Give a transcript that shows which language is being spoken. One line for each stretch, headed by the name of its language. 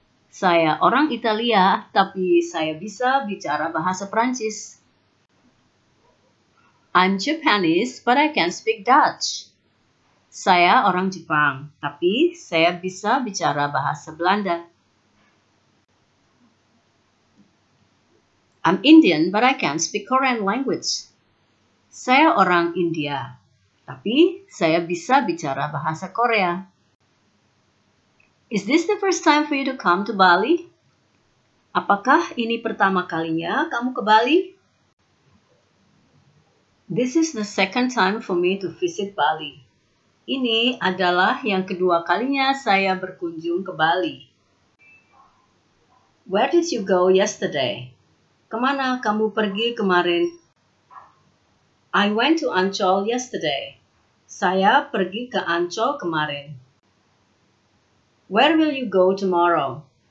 Indonesian: Saya orang Italia, tapi saya bisa bicara bahasa Prancis.
English: I'm Japanese, but I can speak Dutch.
Indonesian: Saya orang Jepang, tapi saya bisa bicara bahasa Belanda.
English: I'm Indian, but I can speak Korean language.
Indonesian: Saya orang India, tapi saya bisa bicara bahasa Korea.
English: Is this the first time for you to come to Bali?
Indonesian: Apakah ini pertama kalinya kamu ke Bali?
English: This is the second time for me to visit Bali.
Indonesian: Ini adalah yang kedua kalinya saya berkunjung ke Bali.
English: Where did you go yesterday?
Indonesian: Kemana kamu pergi kemarin?
English: I went to Ancol yesterday.
Indonesian: Saya pergi ke Ancol kemarin.
English: Where will you go tomorrow?